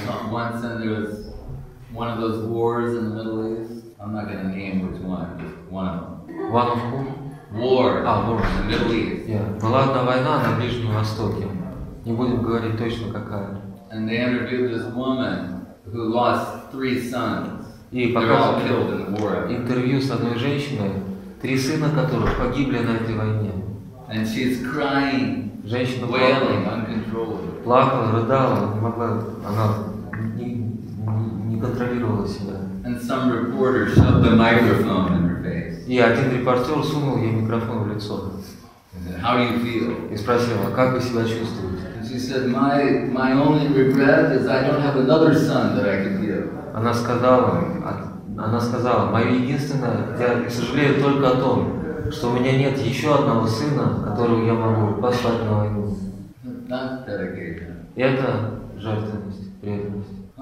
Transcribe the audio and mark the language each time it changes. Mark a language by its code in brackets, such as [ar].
[en] Once and there was one of those wars in the Middle East. I'm not going to name which one, just one of them. One of whom? War. War. In the Middle East. Yeah. [ru] Была одна война на Ближнем Востоке. Не будем говорить точно какая. [en] And they interviewed this woman who lost 3 sons. [ru] И интервью с одной женщиной, 3 сына которых погибли на этой войне. [en] And she's crying. [ru] Женщина [en] wailing, uncontrollably. [ru] Плакала, рыдала, не могла, она не контролировала себя. [en] And some reporter shoved the microphone in her face. [ru] И один репортер сунул ей микрофон в лицо. [en] How do you feel? [ru] И спросила, как вы себя чувствуете? [en] And she said, my only regret is I don't have another son that I can give. [ru] Она сказала, мое единственное, я сожалею только о том, что у меня нет еще одного сына, которого я могу послать на войну. Это жертвенность, преданность.